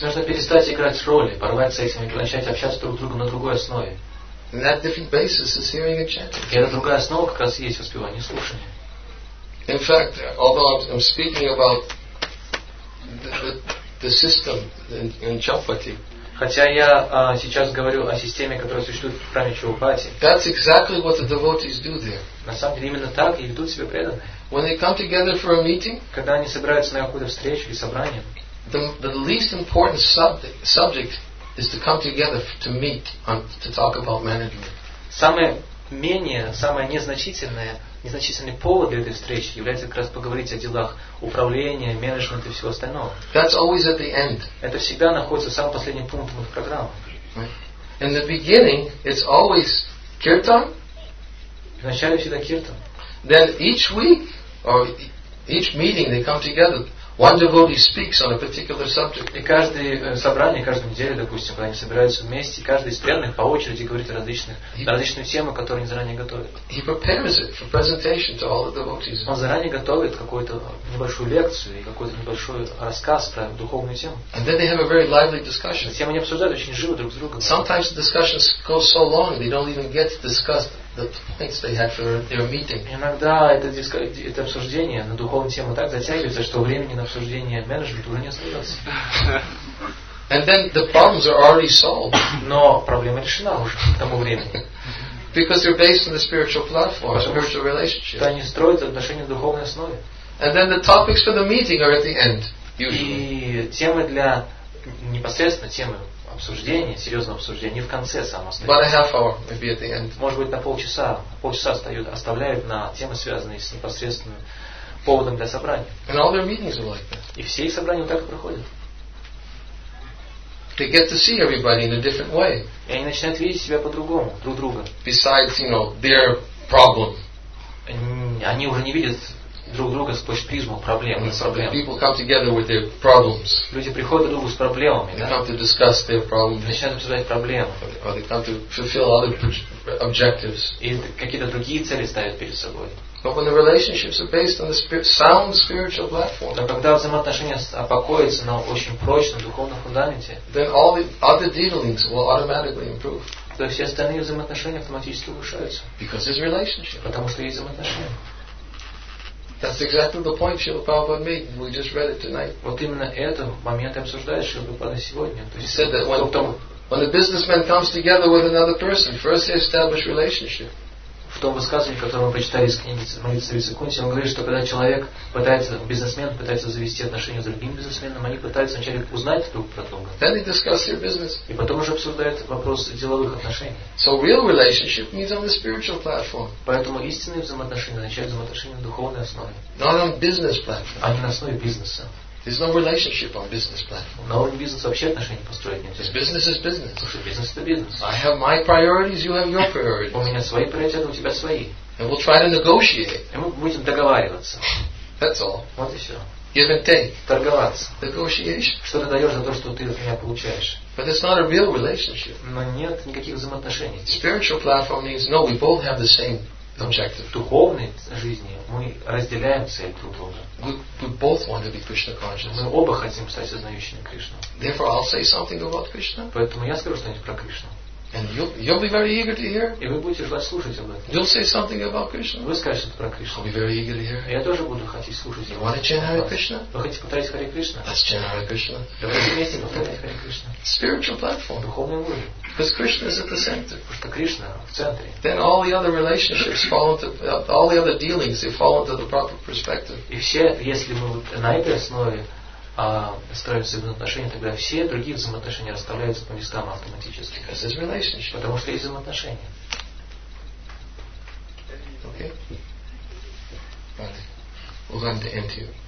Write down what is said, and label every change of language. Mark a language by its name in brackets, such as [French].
[Russian] Нужно перестать играть роли, порвать с этим и начать общаться друг с другом на другой основе. [English] And that different basis is hearing and chanting. [Russian] И эта другая основа как раз и есть воспевание и слушание. [English] In fact, although I'm speaking about the system in Chalpati. [Russian] Хотя я сейчас говорю о системе, которая существует в храме Чхупати. [English] That's exactly what the devotees do there. [Russian] На самом деле именно так и ведут себя преданные. [English] When they come together for a meeting, [Russian] когда они собираются на какую-то встречу или собрание, [English] the least important subject is to come together to meet and to talk about management. [Russian] Самое незначительный повод для этой встречи является как раз поговорить о делах управления, менеджмента и всего остального. [English] That's always at the end. [Russian] Это всегда находится в самом последнем пункте в программе. [English] In the beginning, it's always kirtan. [Russian] Вначале всегда kirtan. [English] Then each week or each meeting they come together. One devotee speaks on a particular subject. [Russian] И каждое собрание, каждую неделю, допустим, когда они собираются вместе, каждый из преданных по очереди говорит о различных темах, которые они заранее готовят. [English] He prepares it for presentation to all the devotees. [Russian] Он заранее готовит какую-то небольшую лекцию и какой-то небольшой рассказ про духовную тему. [English] And then they have a very lively discussion. [Russian] Тем они обсуждают очень живо друг с другом. [English] Sometimes the discussions go so long they don't even get to discuss the points they had for their meeting. [Russian] Иногда это обсуждение на духовную тему так затягивается, что времени на обсуждение менеджмента уже не остается. [English] And then the problems are already solved. [Russian] Но проблема решена уже к тому времени. [English] Because they're based on the spiritual platform, spiritual relationship. [Russian] Они строят отношения на духовной основе. [English] And then the topics for the meeting are at the end, usually. [Russian] И темы для непосредственно темы обсуждение, серьезное обсуждение, не в конце само остается. Может быть, на полчаса. Полчаса оставляют на темы, связанные с непосредственным поводом для собрания. [English] And all their meetings are like that. [Russian] И все их собрания вот так и проходят. [English] They get to see everybody in a different way. [Russian] И они начинают видеть себя по-другому, друг друга. [English] Besides, you know, their problem. [Russian] Они уже не видят друг друга сквозь призму проблем. [English] People come together with their problems. [Russian] Люди приходят друг другу с проблемами. [English] They come to discuss their problems. [Russian] Начинают обсуждать проблемы. [English] Or they come to fulfill other objectives. [Russian] И какие-то другие цели ставят перед собой. [English] But when the relationships are based on the sound spiritual platform, [Russian] то когда взаимоотношения покоятся на очень прочном духовном фундаменте, [English] then all the other dealings will automatically improve. [Russian] То все остальные взаимоотношения автоматически улучшаются. [English] Because there's relationship. [Russian] Потому что есть взаимоотношения. [English] That's exactly the point Srila Prabhupada made. We just read it tonight. [Russian] Вот именно это момент и обсуждает Шрила Прабхупада сегодня. То есть, [English] he said that when a businessman comes together with another person, first they establish relationship. [Russian] В том высказывании, которое мы прочитали из книги «Молитвы Сарисвати Кунти», он говорит, что когда человек пытается, бизнесмен пытается завести отношения с другим бизнесменом, они пытаются вначале узнать друг про друга. [English] Then they discuss their business. [Russian] И потом уже обсуждают вопрос деловых отношений. [English] So real relationship needs on the spiritual platform. [Russian] Поэтому истинные взаимоотношения означают взаимоотношения на духовной основе. [English] Not on business platform. [Russian] А не на основе бизнеса. [English] There's no relationship on business platform. [Russian] На уровне бизнеса вообще отношения построить нельзя. [English] Because business is business. [Russian] Потому что бизнес — это бизнес. [English] I have my priorities, you have your priorities. [Russian] У меня свои приоритеты, у тебя свои. [English] And we'll try to negotiate. [Russian] И мы будем договариваться. [English] That's all. [Russian] Вот и все. [English] Give and take. [Russian] Торговаться. [English] Negotiation. [Russian] Что ты даешь за то, что ты от меня получаешь. [English] But it's not a real relationship. [Russian] Но нет никаких взаимоотношений. [English] Spiritual platform means no, we both have the same objective. [Russian] В духовной жизни мы разделяем цель друг друга. [English] We both want to be Krishna conscious. [Russian] Мы оба хотим стать сознающими Кришну. [English] Therefore, I'll say something about Krishna. [Russian] Поэтому я скажу что-нибудь про Кришну. [English] And you'll be very eager to hear. [Russian] И вы будете желать слушать об этом. [English] You'll say something about Krishna. [Russian] Вы скажете что-то про Кришну. [English] I'll be very eager to hear. [Russian] Я тоже буду хотеть слушать. [English] You want to chant Hare Krishna? [Russian] Вы хотите повторить Харе Кришна? [English] Let's chant Hare Krishna. [Russian] Давайте вместе повторять Харе Кришна. [English] Spiritual platform. [Russian] Духовный уровень. [English] Because Krishna is at the center. [Russian] Потому что Кришна в центре. [English] Then all the other relationships fall into all the other dealings they fall into the proper perspective. [Russian] И все, если мы вот на этой основе строятся взаимоотношения, тогда все другие взаимоотношения расставляются по местам автоматически. [English] Because there's relationship. [Russian] Потому что есть взаимоотношения. [English] Okay. We're going to end here.